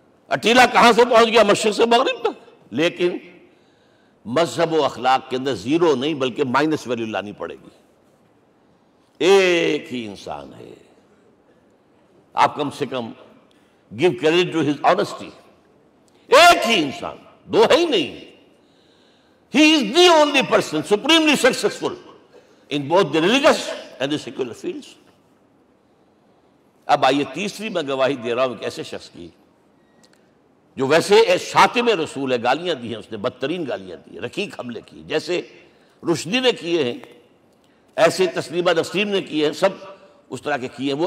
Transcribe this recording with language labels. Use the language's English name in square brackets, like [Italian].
[Urdu] اٹیلا کہاں سے پہنچ گیا؟ مشرق سے مغرب تک. لیکن مذہب و اخلاق کے اندر زیرو نہیں بلکہ مائنس ویلیو لانی پڑے گی. ایک ہی انسان ہے, آپ کم سے کم [English] Give credit to his honesty. [Urdu] ایک ہی انسان, دو ہے ہی نہیں. [English] He is the only person supremely successful in both the religious and the secular fields. [Urdu] اب آئیے تیسری, میں گواہی دے رہا ہوں ایک ایسے شخص کی جو ویسے شاتم رسول ہے, گالیاں دی ہیں اس نے, بدترین گالیاں دی, رقیق حملے کیے, جیسے رشدی نے کیے ہیں ایسے تسلیمہ نسیم نے کیے ہیں, سب اس طرح کے کیے ہیں.